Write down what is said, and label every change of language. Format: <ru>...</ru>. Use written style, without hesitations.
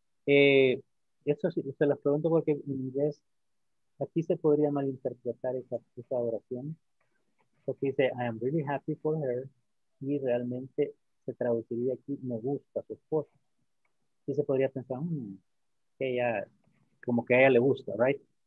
<es>Eso sí, se las pregunto porque en inglés aquí se podría malinterpretar esa oración. Porque dice,</es> <en>I am really happy for her.</en> <es>Y realmente se traduciría aquí, me gusta su esposa. Y se podría pensar, que ella, como que a ella le gusta, right?</es>